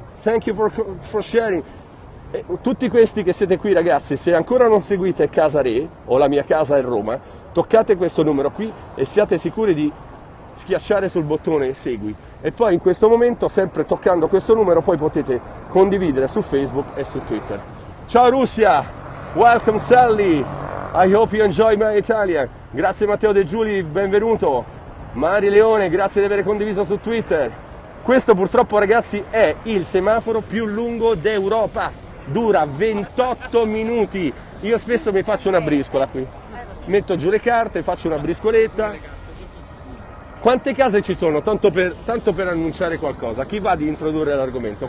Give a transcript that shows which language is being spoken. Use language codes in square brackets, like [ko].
[en] Thank you for sharing. [it] E tutti questi che siete qui, ragazzi, se ancora non seguite Casa Re o la mia casa è Roma, toccate questo numero qui e siate sicuri di schiacciare sul bottone segui. E poi in questo momento, sempre toccando questo numero, poi potete condividere su Facebook e su Twitter. Ciao Russia! [en] Welcome Sally, I hope you enjoy my Italian. [it] Grazie Matteo De Giuli, benvenuto. Mari Leone, grazie di aver condiviso su Twitter. Questo purtroppo, ragazzi, è il semaforo più lungo d'Europa. Dura 28 minuti. Io spesso mi faccio una briscola qui. Metto giù le carte, faccio una briscoletta. Quante case ci sono, tanto per annunciare qualcosa, chi va di introdurre l'argomento?